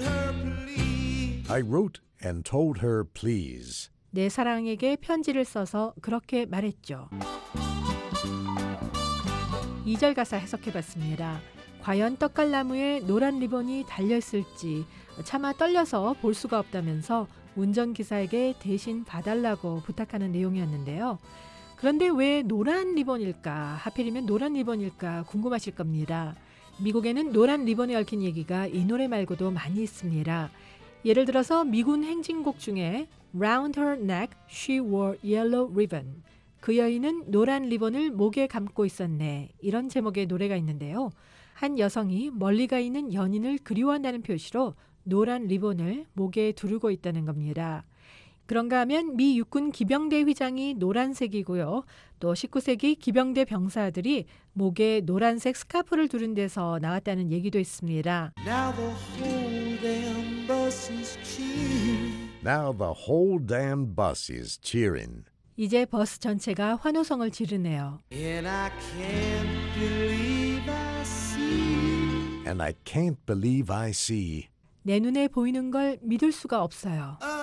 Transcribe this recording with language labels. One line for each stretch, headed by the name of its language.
English: I wrote and told her please.
Korean: 내 사랑에게 편지를 써서 그렇게 말했죠. 2절 가사 해석해봤습니다. 과연 떡갈나무에 노란 리본이 달려있을지 차마 떨려서 볼 수가 없다면서 운전기사에게 대신 봐달라고 부탁하는 내용이었는데요. 그런데 왜 노란 리본일까? 하필이면 노란 리본일까 궁금하실 겁니다. 미국에는 노란 리본에 얽힌 얘기가 이 노래 말고도 많이 있습니다. 예를 들어서 미군 행진곡 중에
English: Round her neck, she wore yellow ribbon.
Korean: 그 여인은 노란 리본을 목에 감고 있었네. 이런 제목의 노래가 있는데요. 한 여성이 멀리가 있는 연인을 그리워한다는 표시로 노란 리본을 목에 두르고 있다는 겁니다. 그런가 하면 미 육군 기병대 휘장이 노란색이고요. 또 19세기 기병대 병사들이 목에 노란색 스카프를 두른 데서 나왔다는 얘기도 있습니다.
English: Now the whole damn bus is cheering.
Korean: 이제 버스 전체가 환호성을 지르네요.
English: And I can't believe I see.
Korean: 내 눈에 보이는 걸 믿을 수가 없어요.